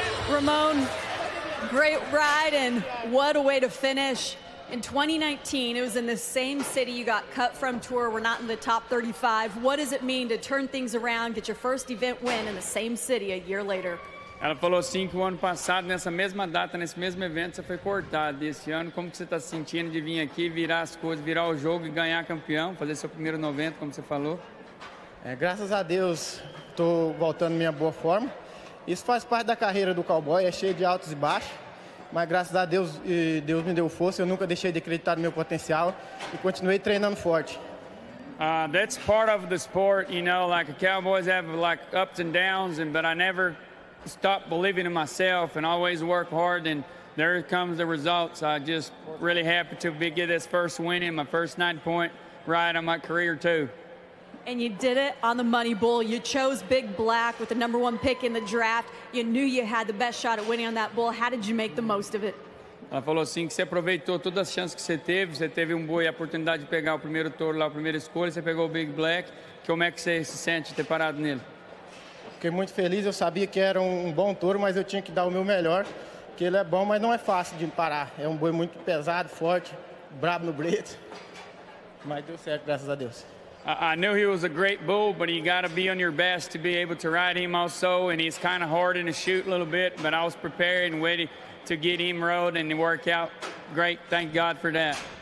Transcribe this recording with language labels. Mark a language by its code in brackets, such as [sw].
[en] Ramon, great ride, and what a way to finish. In 2019, it was in the same city you got cut from tour. We're not in the top 35. What does it mean to turn things around, get your first event win in the same city a year later? [pt] Ela falou assim que o ano passado, nessa mesma data, nesse mesmo evento, você foi cortado. E esse ano, como que você está se sentindo de vir aqui, virar as coisas, virar o jogo e ganhar campeão, fazer seu primeiro 90, como você falou? É, graças a Deus, estou voltando minha boa forma. Isso faz parte da carreira do cowboy, é cheio de altos e baixos. Mas graças a Deus, e Deus me deu força, eu nunca deixei de acreditar no meu potencial e continuei treinando forte. [en] That's part of the sport, you know, like cowboys have like ups and downs, but I never stop believing in myself and always work hard, and there comes the results. I just really happy to get this first win in my first 9-point ride on my career too. And you did it on the money bull. You chose big black with the number one pick in the draft. You knew you had the best shot at winning on that bull. How did you make the most of it? [pt] Ela falou assim que você aproveitou todas as chances que você teve um boi, a oportunidade de pegar o primeiro touro lá, a primeira escolha, você pegou o big black. Como é que você se sente ter parado nele? Fiquei muito feliz, eu sabia que era um bom touro, mas eu tinha que dar o meu melhor, que ele é bom, mas não é fácil de parar. É um boi muito pesado, forte, brabo no brete, mas deu certo, graças a Deus. [en] I knew he was a great bull, but you got to be on your best to be able to ride him also, and he's kind of hard in the chute a little bit, but I was prepared and ready to get him rode and work out great. Thank God for that.